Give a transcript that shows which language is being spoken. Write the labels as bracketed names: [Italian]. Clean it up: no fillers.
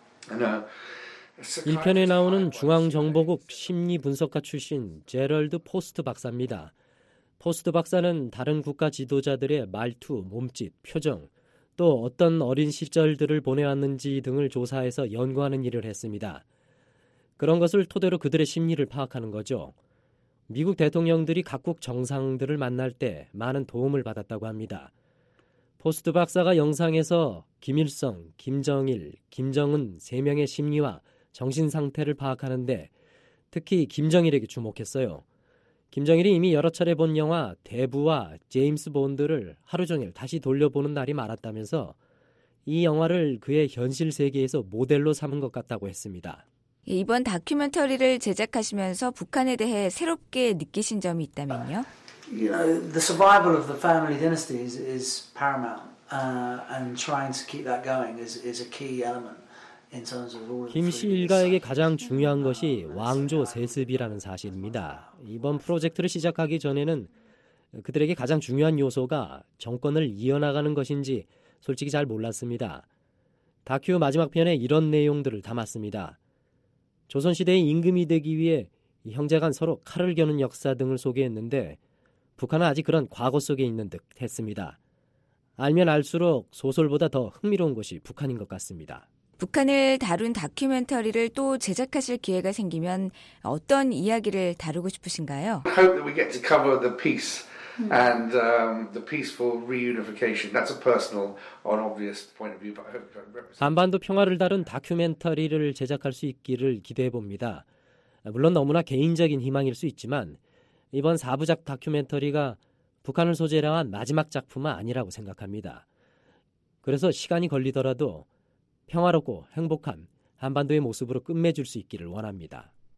[English] And [Korean] 1편에 나오는 중앙정보국 심리분석가 출신 제럴드 포스트 박사입니다. 포스트 박사는 다른 국가 지도자들의 말투, 몸짓, 표정, 또 어떤 어린 시절들을 보내왔는지 등을 조사해서 연구하는 일을 했습니다. 그런 것을 토대로 그들의 심리를 파악하는 거죠. 미국 대통령들이 각국 정상들을 만날 때 많은 도움을 받았다고 합니다. 포스트 박사가 영상에서 김일성, 김정일, 김정은 세 명의 심리와 정신 상태를 파악하는데 특히 김정일에게 주목했어요. 김정일이 이미 여러 차례 본 영화 대부와 제임스 본드를 하루 종일 다시 돌려보는 날이 많았다면서 이 영화를 그의 현실 세계에서 모델로 삼은 것 같다고 했습니다. 이번 다큐멘터리를 제작하시면서 북한에 대해 새롭게 느끼신 점이 있다면요? [English] You know, the survival of the family dynasty is paramount, and trying to keep that going is a key element in terms of all. [Korean] 김 씨 일가에게 가장 중요한 것이 왕조 세습이라는 사실입니다. 이번 프로젝트를 시작하기 전에는 그들에게 가장 중요한 요소가 정권을 이어나가는 것인지 솔직히 잘 몰랐습니다. 다큐 마지막 편에 이런 내용들을 담았습니다. 조선시대의 임금이 되기 위해 형제간 서로 칼을 겨눈 역사 등을 소개했는데 북한은 아직 그런 과거 속에 있는 듯 했습니다. 알면 알수록 소설보다 더 흥미로운 것이 북한인 것 같습니다. 북한을 다룬 다큐멘터리를 또 제작하실 기회가 생기면 어떤 이야기를 다루고 싶으신가요? [English] I hope that we get to cover the peace and the peaceful reunification. That's a personal, obvious point of view. But I hope to represent. [Korean] 한반도 평화를 다룬 다큐멘터리를 제작할 수 있기를 기대해 봅니다. 물론 너무나 개인적인 희망일 수 있지만 이번 4부작 다큐멘터리가 북한을 소재로 한 마지막 작품은 아니라고 생각합니다. 그래서 시간이 걸리더라도 평화롭고 행복한 한반도의 모습으로 끝맺을 수 있기를 원합니다.